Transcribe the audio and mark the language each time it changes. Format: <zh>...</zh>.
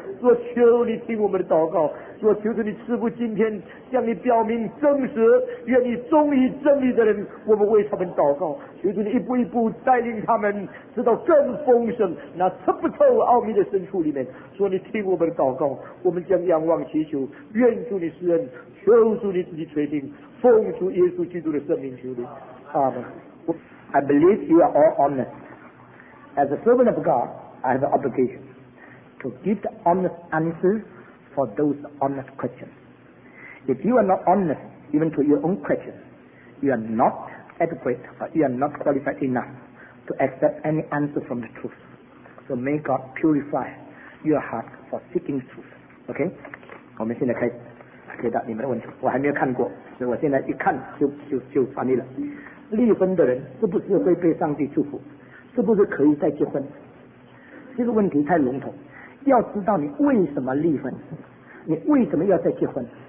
<zh>主，求你听我们的祷告，主，求主你赐福今天向你表明真实愿意忠于真理的人，我们为他们祷告，求主你一步一步带领他们直到更丰盛那测不透奥秘的深处里面。主，你听我们的祷告，我们将仰望祈求，愿主你施恩，求主你自己垂听，奉主耶稣基督的圣名求你，阿们。</zh> <en>I believe you are all honest. As a servant of God, I have an obligationTo give the honest answers for those honest questions. If you are not honest even to your own questions, you are not adequate or you are not qualified enough to accept any answer from the truth. So may God purify your heart for seeking truth. Okay?</en> <zh>我们现在开始解答你们的问题。我还没有看过，所以我现在一看就翻译了。离婚的人是不是会被上帝祝福？是不是可以再结婚？这个问题太笼统。要知道你为什么离婚，你为什么要再结婚？</zh>